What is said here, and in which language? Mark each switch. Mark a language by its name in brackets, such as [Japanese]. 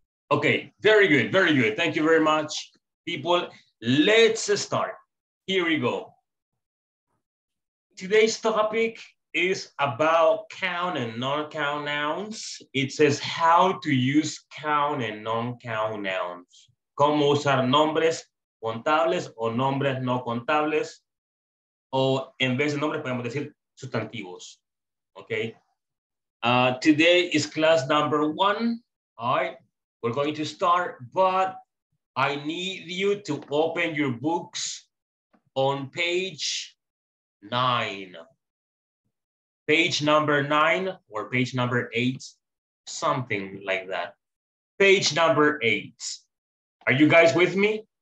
[English] Okay, very good. Thank you very much, people. Let's start. Here we go. Today's topic is about count and non-count nouns. It says how to use count and non-count nouns. [Spanish] Cómo usar nombres contables o nombres no contables. O en vez de nombres podemos decir sustantivos. [English] Okay. Today is class number 1. All right. We're going to start, but I need you to open your books on page number eight. Are you guys with me?